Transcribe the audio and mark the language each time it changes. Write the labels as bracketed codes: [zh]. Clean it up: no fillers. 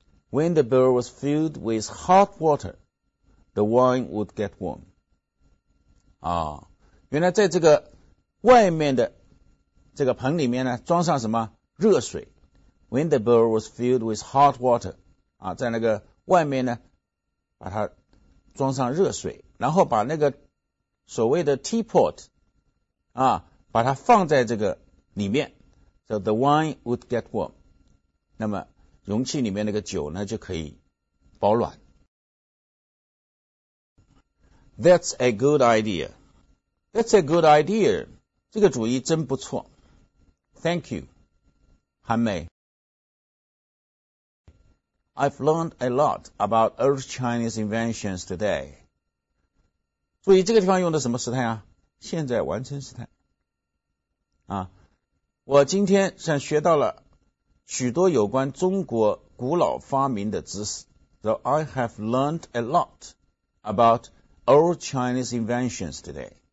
[en] When the bowl was filled with hot water, the wine would get warm. [zh] 原来在这个外面的这个盆里面呢，装上什么热水。 [en] When the bowl was filled with hot water, [zh] 在那个外面呢，把它装上热水，然后把那个所谓的 teapot 啊，把它放在这个里面， [en] so the wine would get warm， [zh] 那么容器里面那个酒呢就可以保暖。 [en] That's a good idea. That's a good idea. [zh] 这个主意真不错。 [en] Thank you. [zh] 韩梅， [en] I've learned a lot about early Chinese inventions today. [zh] 注意这个地方用的什么时态啊？现在完成时态。啊，我今天像学到了许多有关中国古老发明的知识。 [en] So I have learned a lot about early Chinese inventions today.